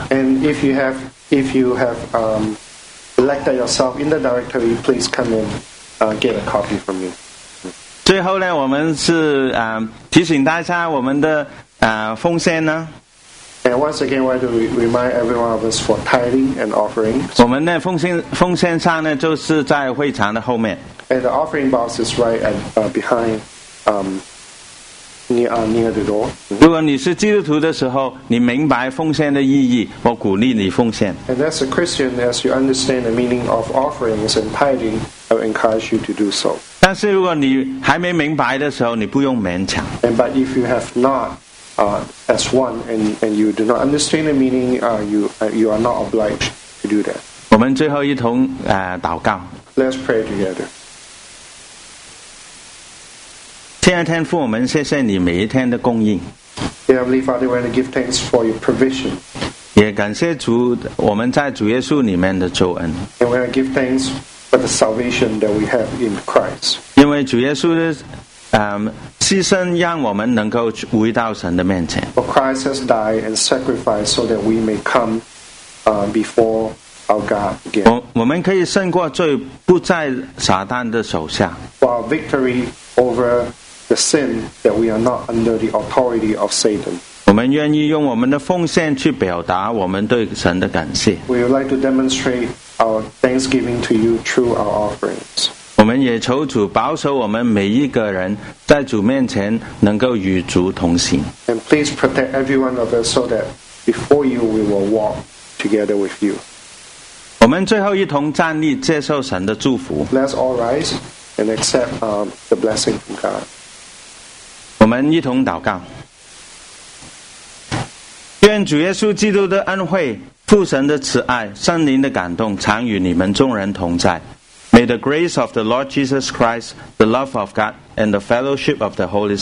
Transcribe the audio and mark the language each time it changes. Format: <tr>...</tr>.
<en>And if you have elected yourself in the directory, please come in, get a copy from me.</en> <zh>最后呢，我们是提醒大家我们的奉献呢。</zh> <en>And once again, I want to remind everyone of us for tithing and offering.</en> <zh>我们的奉献箱呢，就是在会场的后面。</zh> <en>And the offering box is right at behind, near the door.</en> <zh>如果你是基督徒的时候，你明白奉献的意义，我鼓励你奉献。</zh> <en>And as a Christian, as you understand the meaning of offerings and tithing, I would encourage you to do so.</en> <zh>但是如果你还没明白的时候，你不用勉强。</zh> <en>And but if you have not. As one, and you do not understand the meaning, you are not obliged to do that.</en> <zh>我们最后一同祷告。</zh> <en>Let's pray together.</en> <zh>天父，天父，我们谢谢你每一天的供应。</zh> <en>Dear Heavenly Father, we want to give thanks for your provision.</en> <zh>也感谢主，我们在主耶稣里面的救恩。</zh> <en>And we want to give thanks for the salvation that we have in Christ.</en> <zh>因为主耶稣的牺牲，让我们能够回到神的面前。</zh> <en>For Christ has died and sacrificed so that we may come before our God again.</en> <zh>我们可以胜过罪，不在撒旦的手下。</zh> <en>For our victory over the sin that we are not under the authority of Satan.</en> <zh>我们愿意用我们的奉献去表达我们对神的感谢。</zh> <en>We would like to demonstrate our thanksgiving to you through our offerings.</en> <zh>我们也求主保守我们每一个人在主面前能够与主同行。</zh> <en>And please protect every one of us so that before you we will walk together with you.</en> <zh>我们最后一同站立，接受神的祝福。</zh> <en>Let's all rise and accept the blessing from God.</en> <zh>我们一同祷告。愿主耶稣基督的恩惠、父神的慈爱、圣灵的感动常与你们众人同在。</zh> <en>May the grace of the Lord Jesus Christ, the love of God, and the fellowship of the Holy Spirit</en>